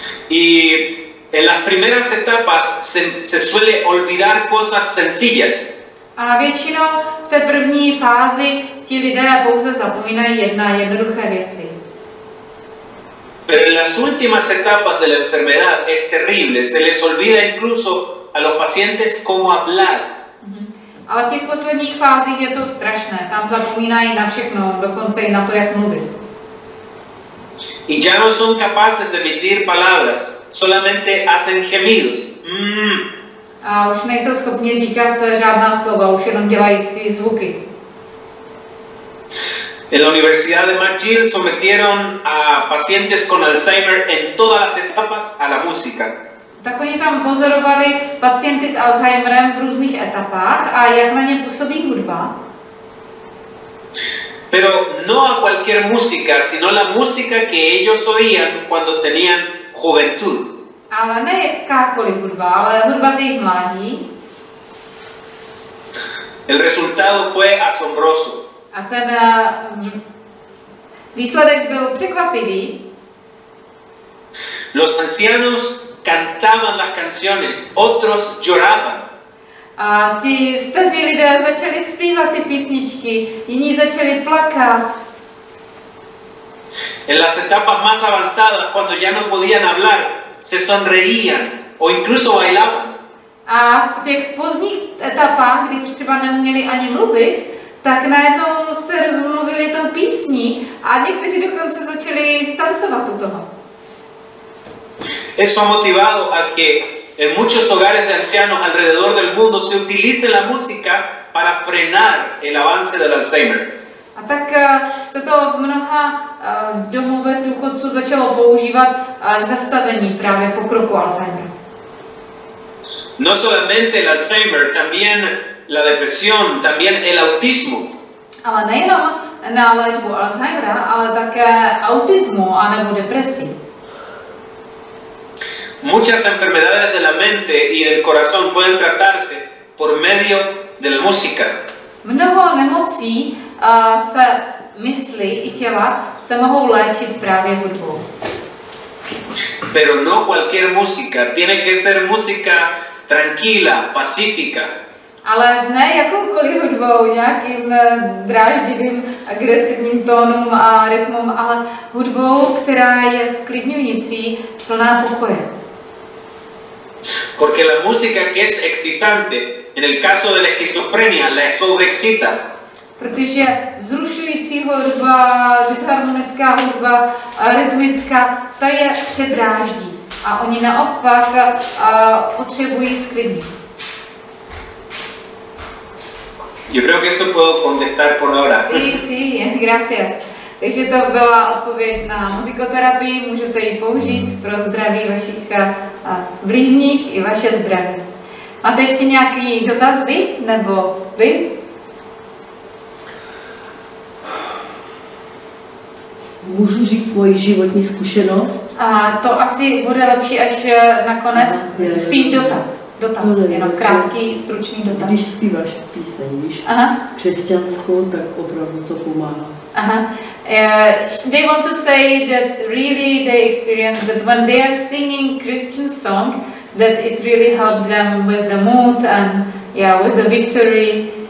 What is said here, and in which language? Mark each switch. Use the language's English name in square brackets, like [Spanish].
[Spanish] Y en las primeras etapas se suele olvidar cosas sencillas. [Czech] A většinou v té první fázi ti lidé pouze zapomínají jedna jednoduché věci. [Spanish] Pero en las últimas etapas de la enfermedad es terrible, se les olvida incluso a los pacientes cómo hablar. [Czech] Ale v těch posledních fázích je to strašné, tam zapomínají na všechno, dokonce i na to, jak mluvit. [Spanish] Y ya no son capaces de emitir palabras, solamente hacen gemidos. [Czech] A už nejsou schopni říkat žádná slova, už jenom dělají ty zvuky. [Spanish] En la Universidad de McGill sometieron a pacientes con Alzheimer en todas las etapas a la música. [Czech] Tak oni tam pozorovali pacienty s Alzheimerem v různých etapách a jak na ně působí hudba. [Spanish] Pero no a cualquier música, sino la música que ellos oían cuando tenían juventud. [Czech] Ale ne jakákoliv hudba, ale hudba z jejich mládí. [Spanish] El resultado fue asombroso. [Czech] A ten výsledek byl překvapivý. [Spanish] Los ancianos cantaban las canciones, otros lloraban. [Czech] A ti staří lidé začali zpívat ty písničky, jiní začali plakat. [Spanish] En las etapas más avanzadas, cuando ya no podían hablar, se sonreían o incluso bailaban. [Czech] A v těch pozdních etapách, kdy už třeba neuměli ani mluvit, tak najednou se rozmluvili tou písní a někteří dokonce začali tancovat u toho. [Spanish] Eso ha motivado a que en muchos hogares de ancianos alrededor del mundo se utilice la música para frenar el avance del Alzheimer. [Czech] A tak se to v mnoha domovech důchodců začalo používat k zastavení právě pokroku Alzheimer. [Spanish] No solamente el Alzheimer, también la depresión, también el autismo. [Czech] Ale nejenom na léčbu Alzheimera, ale také autismu a nebo depresi. [Spanish] Muchas enfermedades de la mente y del corazón pueden tratarse por medio de la música. [Czech] Mnoho nemocí se mysli i těla se mohou léčit právě hudbou. [Spanish] Pero no cualquier música, tiene que ser música tranquila, pacífica. [Czech] Ale ne jakoukoliv hudbou, nějakým dráždivým, agresivním tónům a rytmům, ale hudbou, která je sklidňující, plná pokoje. [Spanish] Porque la música que es excitante, en el caso de la esquizofrenia, la sobreexcita. [Czech] Protože vzrušující hudba, disharmonická hudba, rytmická, ta je předráždí. A oni naopak potřebují sklidnit. [Spanish] Yo creo que eso puedo contestar por ahora. Sí, gracias. [Czech] Takže to byla odpověď na muzikoterapii, můžete ji použít pro zdraví vašich blížních i vaše zdraví. Máte ještě nějaký dotaz vy, nebo vy? Můžu říct svoji životní zkušenost? A to asi bude lepší až nakonec. Spíš dotaz. Dotaz, jenom krátký, stručný dotaz. Když zpíváš píseň, víš, aha, křesťanskou, tak opravdu to pomáhá. Aha. [English] They want to say that really they experience that when they are singing Christian song, that it really helped them with the mood and yeah, with the victory.